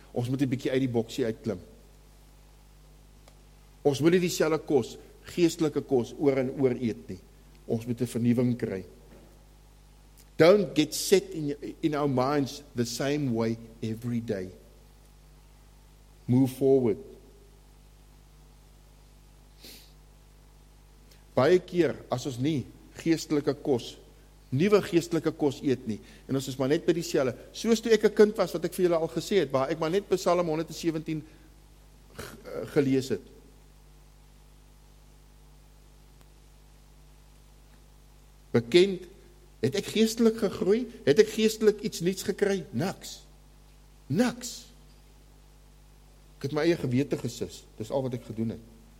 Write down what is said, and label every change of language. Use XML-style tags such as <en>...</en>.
<af>Ons moet 'n bietjie uit die boksie uitklim. Ons moet nie dieselfde kos, geestelike kos, oor en oor eet nie. Ons moet 'n vernuwing kry.</af> <en>Don't get set in our minds the same way every day. Move forward.</en> <af>Baie keer, as ons nie geestelike kos, nuwe geestelike kos eet nie, en ons is maar net by die selle, soos toe ek 'n kind was, wat ek vir julle al gesê het, waar ek maar net by Psalm 117 gelees het. Bekend, het ek geestelik gegroei? Het ek geestelik iets niets gekry? Niks. Niks. Ek het my eie gewete gesis, dis al wat ek gedoen het.</af>